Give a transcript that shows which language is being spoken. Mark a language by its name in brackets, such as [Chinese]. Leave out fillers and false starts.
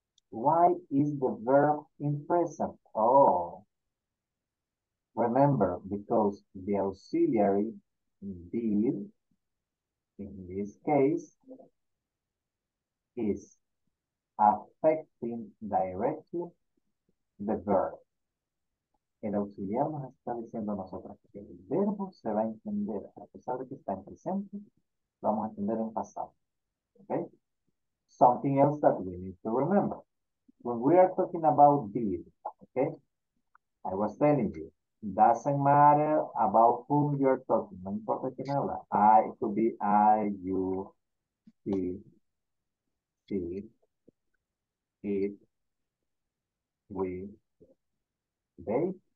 [English] Why is the verb in present? Oh, remember, because the auxiliary did in this case is affecting directly the verb. [Spanish] El auxiliar nos está diciendo a nosotros que el verbo se va a entender a pesar de que está en presente, lo vamos a entender en pasado. [English] Okay? Something else that we need to remember. When we are talking about did, okay? I was telling you, doesn't matter about whom you're talking. [Spanish] No importa quién habla. [English] I could be I, you, he, she, it, we, they.